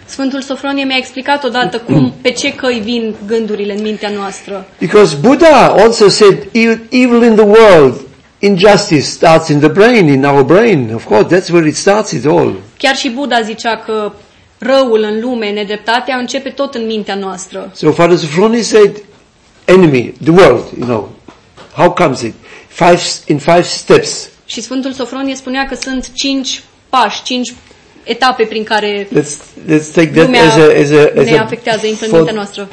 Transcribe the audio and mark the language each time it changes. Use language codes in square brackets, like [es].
[ro] Sfântul Sofronie mi-a explicat odată cum pe ce căi vin gândurile în mintea noastră. [en] Because Buddha also said evil in the world, injustice starts in the brain, in our brain. Of course, that's where it starts it all. [ro] Chiar și Buddha zicea că răul în lume, nedreptatea începe tot în mintea noastră. [en] So Father Sofronie said enemy, the world, you know. How comes it? In five steps. [ro] Și Sfântul Sofronie spunea că sunt cinci pași, cinci etape prin care [en] let's take that [ro] lumea [en] as a [ro] ne afectează influența noastră.